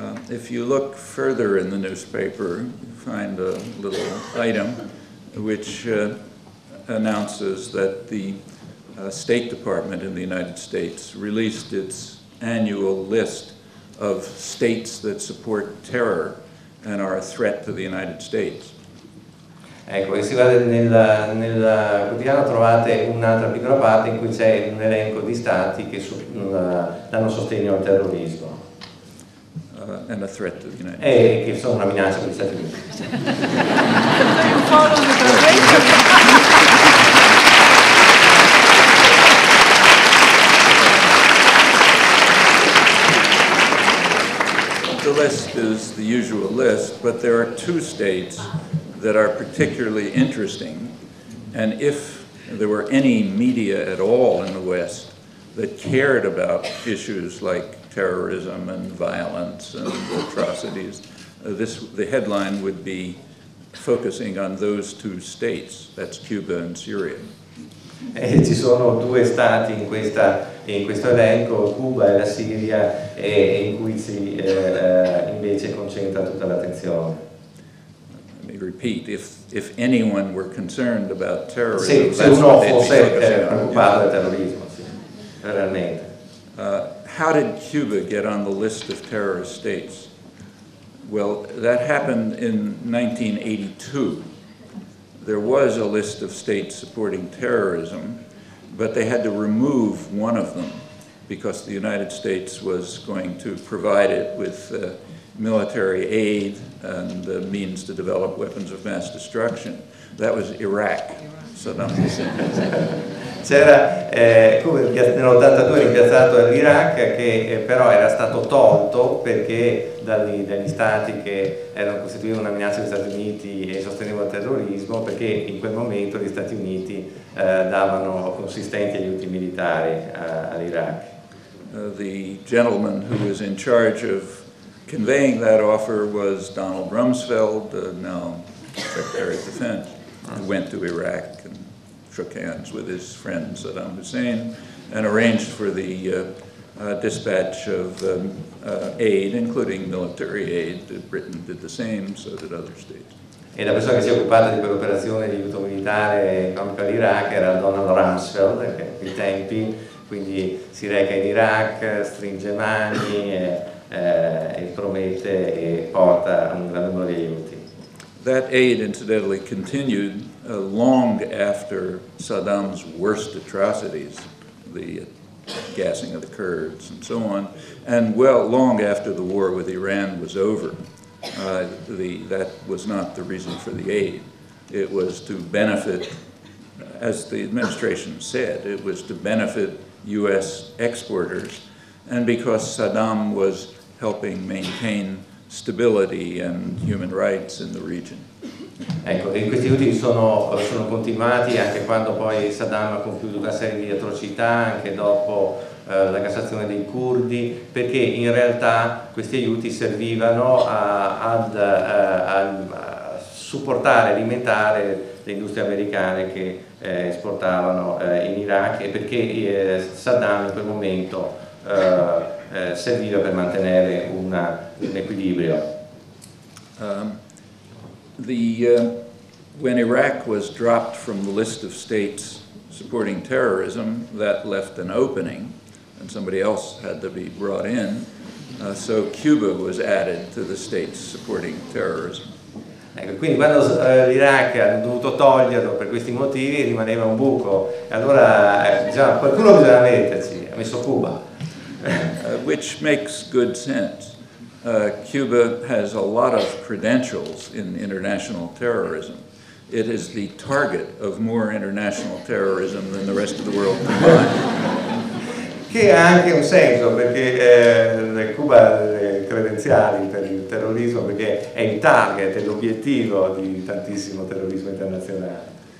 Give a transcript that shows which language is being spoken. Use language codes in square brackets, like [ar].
[en] If you look further in the newspaper, you find a little item which announces that the State Department in the United States released its annual list of states that support terror and are a threat to the United States. [it] Ecco, se guardate nel quotidiano trovate un'altra piccola parte in cui c'è un elenco di stati che danno sostegno al terrorismo. [en] And a threat to the United States. [it] Che sono una minaccia per gli Stati Uniti. [en] The list is the usual list, but there are two states that are particularly interesting, and if there were any media at all in the West that cared about issues like terrorism and violence and atrocities, the headline would be focusing on those two states, that's Cuba and Syria. [it] Ci sono due stati in questa e in questo elenco Cuba e la Siria e in cui si invece concentra tutta l'attenzione. [en] Let me repeat, if anyone were concerned about terrorism, [it] sì, se uno fosse preoccupato del terrorismo, sì, realmente. [en] How did Cuba get on the list of terrorist states? Well, that happened in 1982. There was a list of states supporting terrorism, but they had to remove one of them because the United States was going to provide it with military aid and the means to develop weapons of mass destruction. That was Iraq, Saddam Hussein. [it] C'era nell'82 rimpiazzato l'Iraq, che però era stato tolto perché dagli stati che erano costituivano una minaccia degli Stati Uniti e sostenevano il terrorismo, perché in quel momento gli Stati Uniti davano consistenti aiuti militari all'Iraq. [en] The gentleman who was in charge of conveying that offer was Donald Rumsfeld, now Secretary of Defense, who went to Iraq and shook hands with his friend Saddam Hussein and arranged for the dispatch of aid, including military aid. Britain did the same, so did other states. [it] E la persona che si è occupata di quell'operazione di aiuto militare contro l'Iraq era Donald Rumsfeld, che ai tempi quindi si reca in Iraq, stringe mani e promette e porta un gran numero di aiuti. [en] That aid incidentally continued long after Saddam's worst atrocities, the gassing of the Kurds and so on, and well, long after the war with Iran was over. That was not the reason for the aid. It was to benefit, as the administration said, it was to benefit U.S. exporters, and because Saddam was helping maintain stability and human rights in the region. [it] Ecco, e questi aiuti sono continuati anche quando poi Saddam ha compiuto una serie di atrocità, anche dopo la cassazione dei curdi, perché in realtà questi aiuti servivano a supportare, alimentare le industrie americane che esportavano in Iraq, e perché Saddam in quel momento serviva per mantenere un equilibrio. [en] When Iraq was dropped from the list of states supporting terrorism, that left an opening, and somebody else had to be brought in, so Cuba was added to the states supporting terrorism. [it] Ecco, quindi quando l'Iraq ha dovuto toglierlo per questi motivi, rimaneva un buco, e allora qualcuno bisogna metterci, ha messo Cuba. [en] Which makes good sense. Cuba has a lot of credentials in international terrorism. It is the target of more international terrorism than the rest of the world combined. [it] Che ha anche un senso, perché Cuba ha le credenziali per il terrorismo, perché è il target, è l'obiettivo di tantissimo terrorismo internazionale.